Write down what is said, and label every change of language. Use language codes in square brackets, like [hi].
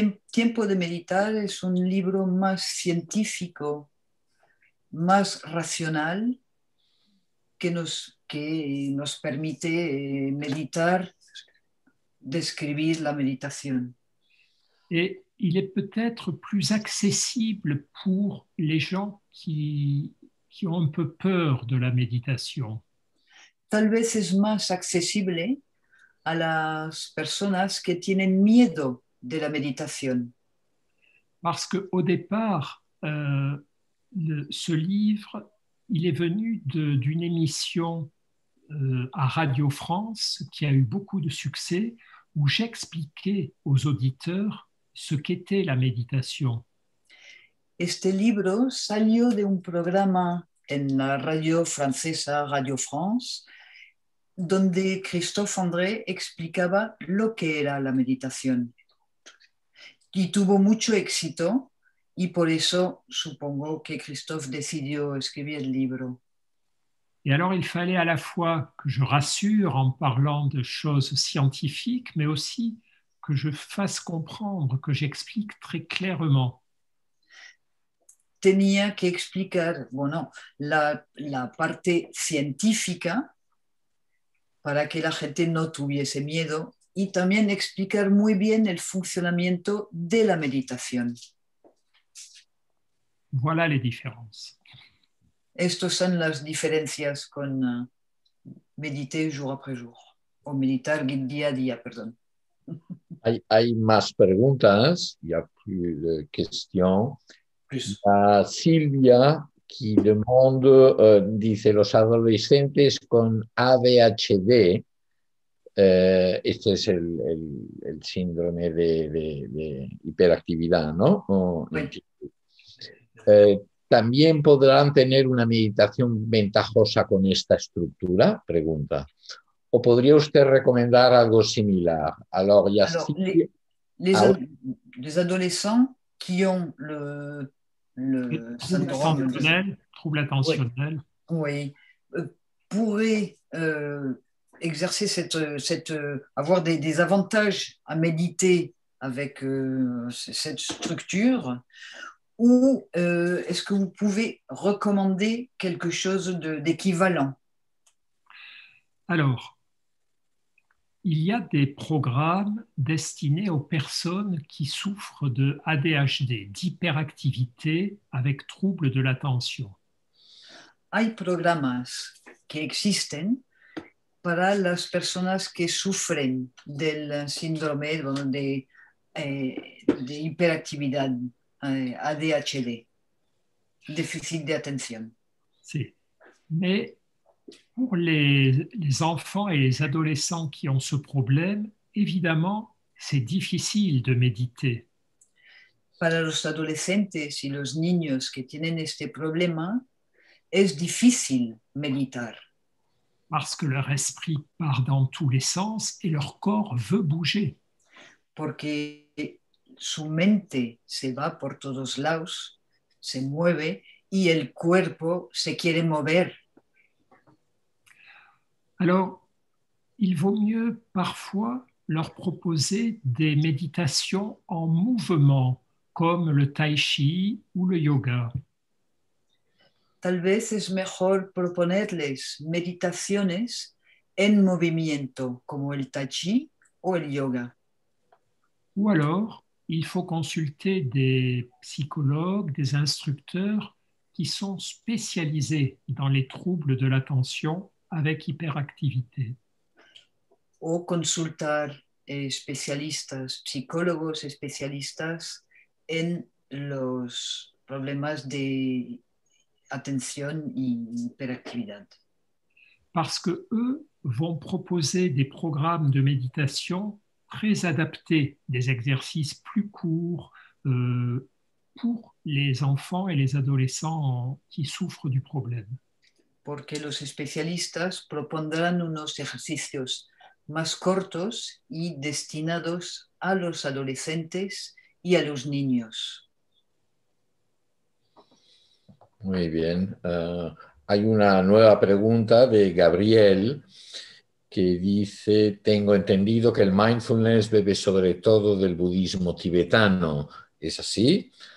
[es] Tiempo de meditar es un libro más científico, más racional, que nos permite meditar, describir la meditación. [fr] Et il est peut-être plus accessible pour les gens qui ont un peu peur de la méditation. [es] Tal vez es más accesible a las personas que tienen miedo de la meditación. [fr] Parce que au départ, ce livre, il est venu d'une émission à Radio France qui a eu beaucoup de succès, où j'expliquais aux auditeurs ce qu'était la méditation. [es] Este libro salió de un programa en la radio francesa Radio France, donde Christophe André explicaba lo que era la meditación. Y tuvo mucho éxito, y por eso supongo que Christophe decidió escribir el libro. [fr] Et alors il fallait à la fois que je rassure en parlant de choses scientifiques, mais aussi que je fasse comprendre, que j'explique très clairement. [es] Tenía que explicar, bueno, la parte científica para que la gente no tuviese miedo y también explicar muy bien el funcionamiento de la meditación. [fr] Voilà les différences. [es] Estas son las diferencias con meditar [fr] jour après jour, [es] o meditar día a día, perdón. Hay más preguntas, y hay [fr] plus de questions. [es] Silvia [fr] qui demande, [es] dice, los adolescentes con ADHD, este es el síndrome de hiperactividad, ¿no? Sí. ¿También podrán tener una meditación ventajosa con esta estructura? Pregunta. ¿O podría usted recomendar algo similar? [fr] Alors, les adolescents qui ont le syndrome attentionnel, trouble attentionnel. Oui. Pourraient exercer avoir des avantages à méditer avec cette structure. Ou est-ce que vous pouvez recommander quelque chose d'équivalent? Alors, il y a des programmes destinés aux personnes qui souffrent de ADHD, d'hyperactivité avec trouble de l'attention. [es] Hay programas que existen para las personas que sufren del síndrome de hiperactividad, ADHD, [fr] déficit d'attention. Sí, mais pour les enfants et les adolescents qui ont ce problème, évidemment, c'est difficile de méditer. [es] Para los adolescentes y los niños que tienen este problema, es difícil meditar. [fr] Parce que leur esprit part dans tous les sens et leur corps veut bouger. [es] Porque su mente se va por todos lados, se mueve y el cuerpo se quiere mover. [fr] Alors, il vaut mieux parfois leur proposer des méditations en mouvement, comme le tai chi ou le yoga. [es] Tal vez es mejor proponerles meditaciones en movimiento, como el tai chi o el yoga. [fr] Ou alors, il faut consulter des psychologues, des instructeurs qui sont spécialisés dans les troubles de l'attention avec hyperactivité. Ou consulter des spécialistes, psychologues spécialistes [es] en los problemas de atención y hiperactividad. [fr] Parce que eux vont proposer des programmes de méditation très adaptés, des exercices plus courts pour les enfants et les adolescents qui souffrent du problème. [es] Porque los especialistas propondrán unos ejercicios más cortos y destinados a los adolescentes y a los niños. Muy bien. Hay una nueva pregunta de Gabriel que dice: tengo entendido que el mindfulness bebe sobre todo del budismo tibetano. ¿Es así?